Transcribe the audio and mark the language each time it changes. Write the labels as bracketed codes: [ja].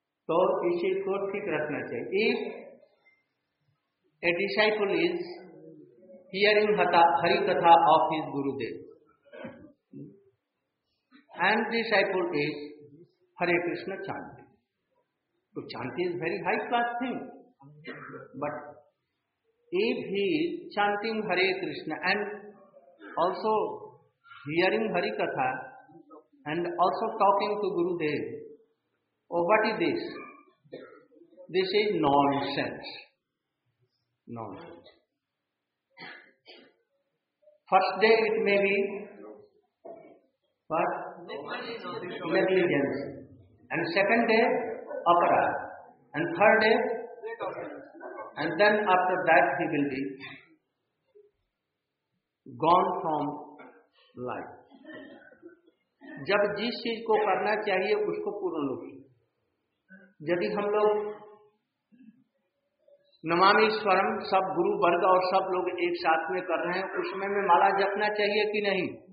[hi] तो इसी को ठीक रखना चाहिए. [en] If a disciple is hearing Hari Katha of his Gurudev and disciple is Hare Krishna chanting, तो chanting is very high class thing. But if he is chanting Hare Krishna and also hearing Hari Katha and also talking to Gurudev, oh, what is this? This is nonsense. Nonsense. First day it may be, but negligence. And second day, apara. And third day, and then after that he will be gone from life. [hi] जब जिस चीज को करना चाहिए उसको पूर्ण रूप से, यदि हम लोग नमामि स्वरम सब गुरु वर्ग और सब लोग एक साथ में कर रहे हैं उसमें में माला जपना चाहिए कि नहीं?